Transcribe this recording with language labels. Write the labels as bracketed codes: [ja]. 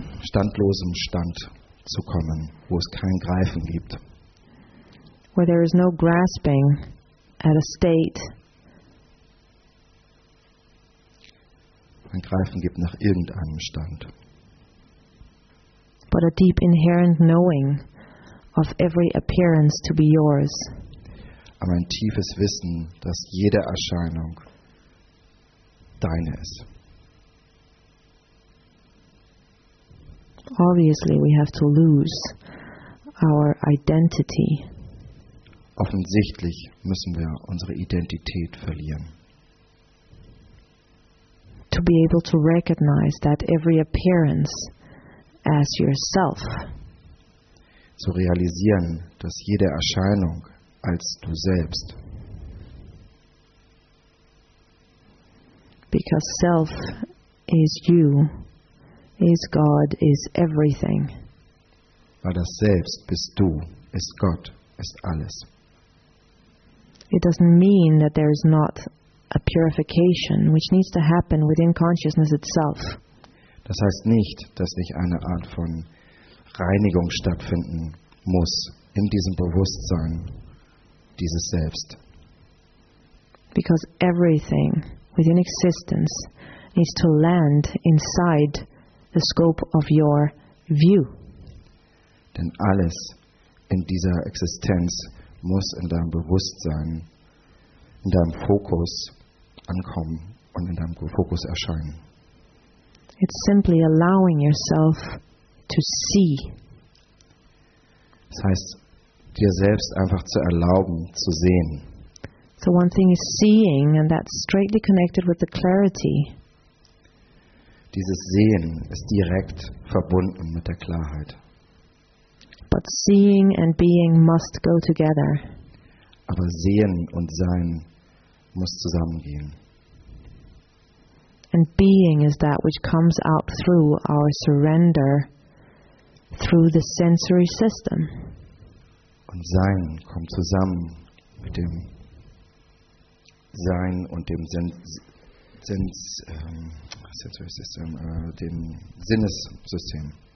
[de] standlosem Stand zu kommen, wo es kein Greifen gibt. [en] Where there is no grasping at a state. [de] Ein Greifen gibt nach irgendeinem Stand. [en] But a deep inherent knowing of every appearance to be yours. [de] Aber ein tiefes Wissen, dass jede Erscheinung deine ist. [en] Obviously we have to lose our identity. [de] Offensichtlich müssen wir unsere Identität verlieren. [en] To be able to recognize that every appearance as yourself. [de] Zu realisieren, dass jede Erscheinung als du selbst. [en] Because self is you, is God, is everything. [de] Weil das Selbst bist du, ist Gott, ist alles. [en] It doesn't mean that there is not a purification which needs to happen within consciousness itself. [de] Das heißt nicht, dass nicht eine Art von Reinigung stattfinden muss in diesem Bewusstsein dieses Selbst. [en] Because everything within existence needs to land inside the scope of your view. [de] Denn alles in dieser Existenz muss in deinem Bewusstsein, in deinem Fokus ankommen und in deinem Fokus erscheinen. [en] It's simply allowing yourself to see. [de] Das heißt, dir selbst einfach zu erlauben, zu sehen. [en] So one thing is seeing, and that's straightly connected with the clarity. [de] Dieses Sehen ist direkt verbunden mit der Klarheit. [en] But seeing and being must go together. [de] Aber Sehen und Sein muss zusammengehen. [en] And being is that which comes out through our surrender, through the sensory system. [de] Und Sein kommt zusammen mit dem Sein und dem sensory system, dem Sinnessystem.